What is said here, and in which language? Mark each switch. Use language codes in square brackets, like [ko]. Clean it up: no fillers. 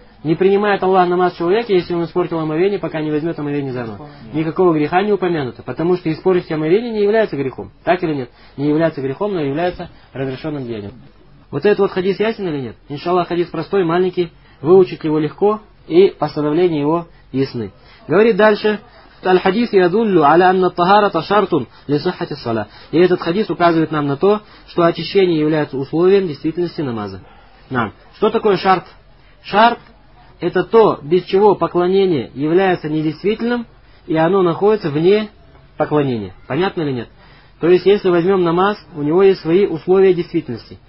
[ru] Не принимает Аллах намаз человека, если он испортил омовение, пока не возьмет омовение заново. Никакого греха не упомянуто, потому что испортить омовение не является грехом. Так или нет? Не является грехом, но является разрешенным деянием. Вот этот вот хадис ясен или нет? Иншаллах, хадис простой, маленький, выучить его легко и постановления его ясны. Говорит дальше. [ar] الحديث يدل على أن الطهارة شرط لصحة الصلاة. [ru] И этот хадис указывает нам на то, что очищение является условием действительности намаза. Нам. Что такое шарт? Шарт – это то, без чего поклонение является недействительным, и оно находится вне поклонения. Понятно или нет? То есть, если возьмем намаз, у него есть свои условия действительности.